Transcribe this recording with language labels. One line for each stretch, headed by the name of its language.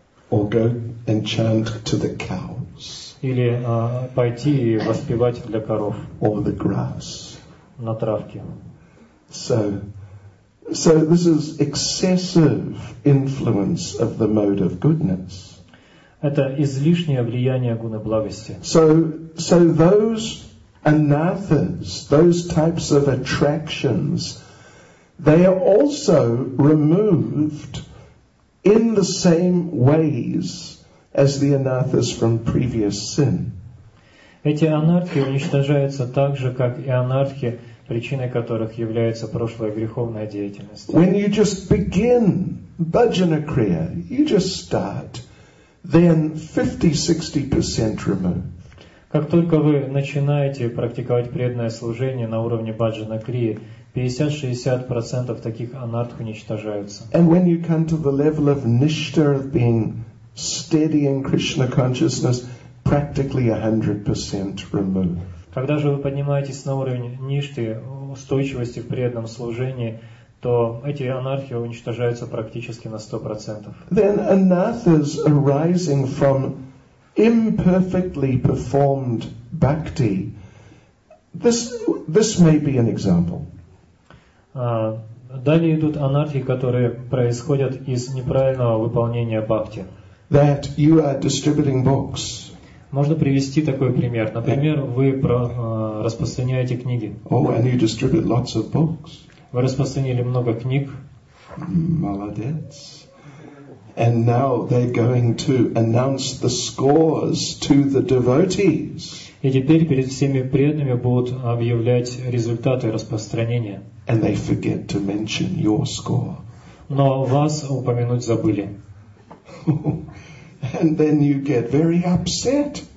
English: Or go and chant to the cows.
Russian: Или пойти и воспевать для коров.
English: Or the grass.
Russian: На травке.
English: So this is excessive influence of the mode of goodness.
Russian: Это излишнее влияние гуны благости.
English: So those anathas, those types of attractions, they are also removed in the same ways as the anathas from previous sin.
Russian: Эти анартхи уничтожаются так же, как и анартхи, причиной которых является прошлая греховная деятельность.
English: When you just begin bhajana kriya, you just start, then 50-60% removed.
Russian: Как только вы начинаете практиковать преданное служение на уровне баджана крии, 50-60% таких анартх уничтожаются.
English: And when you come to the level of nishtha, of being steady in Krishna consciousness, practically 100% removed.
Russian: Когда же вы поднимаетесь на уровень ништы, устойчивости в преданном служении, то эти анархи уничтожаются практически на 100%.
English: Then anathas arising from imperfectly performed bhakti. This may be an example.
Russian: Далее идут анархи, которые происходят из неправильного выполнения бхакти.
English: That you are distributing books.
Russian: Можно привести такой пример. Например, вы распространяете книги.
English: Oh, and you distribute lots of books.
Russian: Вы распространили много книг. Молодец.
English: And now they're going to announce the scores to the devotees.
Russian: И теперь перед всеми преданными будут объявлять результаты распространения.
English: And they forget to mention your score.
Russian: Но вас упомянуть забыли.
English: And then you get very upset.